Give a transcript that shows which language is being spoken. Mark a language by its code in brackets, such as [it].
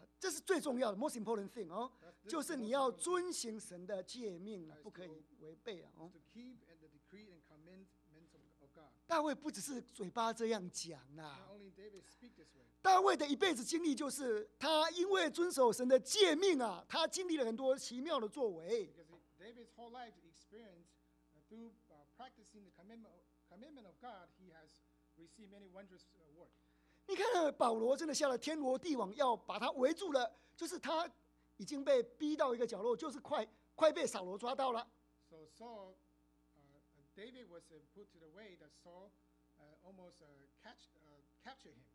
[zh] 这是最重要的 [en] most important thing [zh] 哦，就是你要遵行神的诫命啊，不可以违背啊。 [en] To keep and the decree and commandments of God. [zh] 大卫不只是嘴巴这样讲啊。 [en] Not only David speak this way. [zh] 大卫的一辈子经历就是他因为遵守神的诫命啊，他经历了很多奇妙的作为。 [en] David's whole life experience through practicing the commandment of God, he has received many wondrous works. [zh] 你看保罗真的下了天罗地网要把他围住了，就是他已经被逼到一个角落，就是快被扫罗抓到了。 [en] So Saul, David was put to the way that Saul almost captured him.